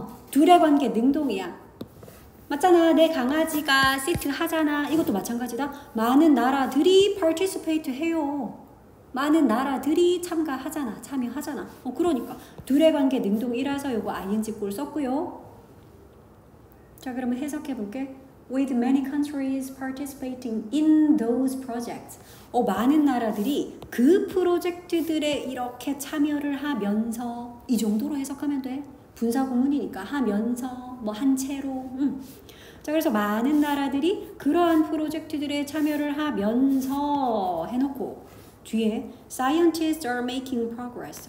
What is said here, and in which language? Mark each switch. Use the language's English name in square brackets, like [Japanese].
[Korean] 둘의 관계 능동이야. 맞잖아. 내 강아지가 시트 하잖아. 이것도 마찬가지다. 많은 나라들이 participate 해요. 많은 나라들이 참가하잖아. 참여하잖아. 그러니까 둘의 관계 능동이라서 요거 ing 꼴 썼고요. 자 그러면 해석해 볼게. [English] With many countries participating in those projects. [Korean] 많은 나라들이 그 프로젝트들에 이렇게 참여를 하면서 이 정도로 해석하면 돼. 분사구문이니까 하면서 뭐 한 채로. 자 그래서 많은 나라들이 그러한 프로젝트들에 참여를 하면서 해놓고 뒤에 [English] scientists are making progress.